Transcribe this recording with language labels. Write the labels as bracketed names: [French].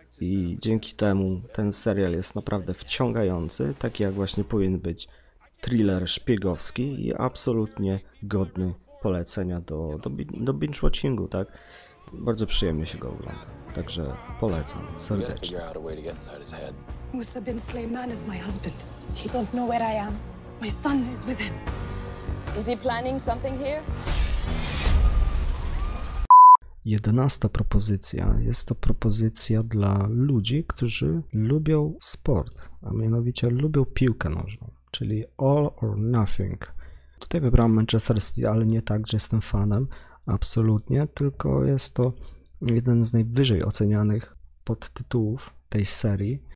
[Polish] I dzięki temu ten serial jest naprawdę wciągający, taki jak właśnie powinien być thriller szpiegowski i absolutnie godny polecenia do binge-watchingu, tak? Bardzo przyjemnie się go ogląda. Także polecam serdecznie. [English] Musa bin Sulayman is my husband. He don't know where I am. My son is with him. Is he planning something here? [Polish] 11. propozycja. Jest to propozycja dla ludzi, którzy lubią sport, a mianowicie lubią piłkę nożną, czyli All or Nothing. Tutaj wybrałem Manchester City, ale nie tak, że jestem fanem. Absolutnie, tylko jest to jeden z najwyżej ocenianych podtytułów tej serii.